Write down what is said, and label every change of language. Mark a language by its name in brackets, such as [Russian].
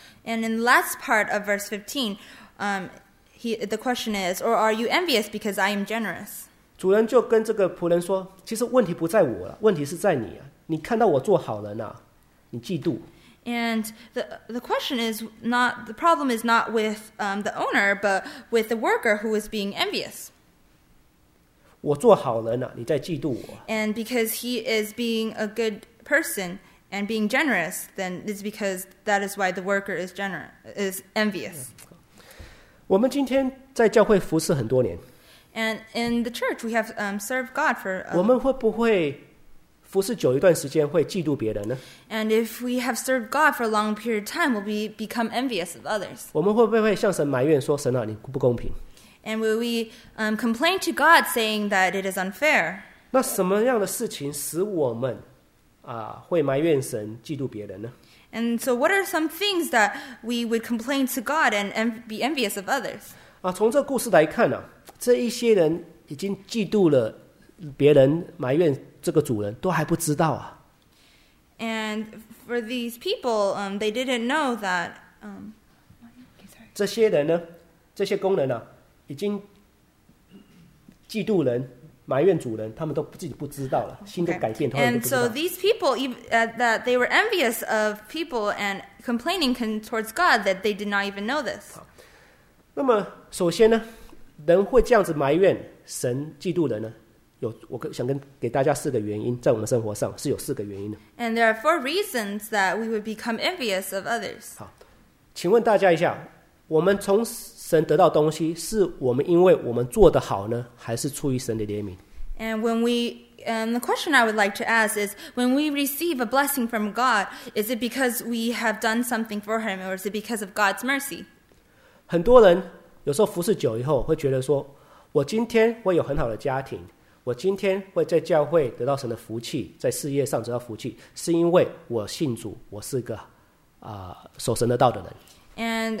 [English] And in the last part of verse 15, the question is, or are you envious because I am generous? [Chinese] 主人就跟这个仆人说，其实问题不在我了，问题是在你啊，你看到我做好人啊，你嫉妒。 [English] And the question is not, the problem is not with the owner, but with the worker who is being envious. [Chinese] 我做好人啊，你在嫉妒我。 [English] And because he is being a good person and being generous, then it's because that is why the worker is generous, is envious. [Chinese] 我们今天在教会服侍很多年。 [English] And in the church, we have served God for [Chinese] a... 我们会不会服侍久一段时间会嫉妒别人呢？ [English] And if we have served God for a long period of time, will we become envious of others? [Chinese] 我们会不会向神埋怨说，神啊，你不公平？ [English] And will we complain to God saying that it is unfair? [Chinese] 那什么样的事情使我们会埋怨神嫉妒别人呢？ [English] And so what are some things that we would complain to God and be envious of others? [Chinese] 从这故事来看啊，这一些人已经嫉妒了别人，埋怨这个主人，都还不知道啊。 [English] And for these people, they didn't know that. Sorry. [Chinese] 这些人呢，这些工人啊，已经嫉妒人，埋怨主人，他们都自己不知道了， [English] okay. [Chinese] 心都改变，他们都不知道。 [English] And so these people, that they were envious of people and complaining towards God, that they did not even know this. [Chinese] 那么首先呢，人会这样子埋怨神嫉妒人呢，有我想跟给大家四个原因，在我们生活上是有四个原因的。 [English] And there are four reasons that we would become envious of others. [Chinese] 好，请问大家一下，我们从神得到东西，是我们因为我们做得好呢，还是出于神的怜悯？ [English] And when we, and the question I would like to ask is, when we receive a blessing from God, is it because we have done something for Him, or is it because of God's mercy? [Chinese] 很多人有时候服侍久以后会觉得说，我今天会有很好的家庭，我今天会在教会得到神的福气，在事业上得到福气，是因为我信主，我是个守神的道的人。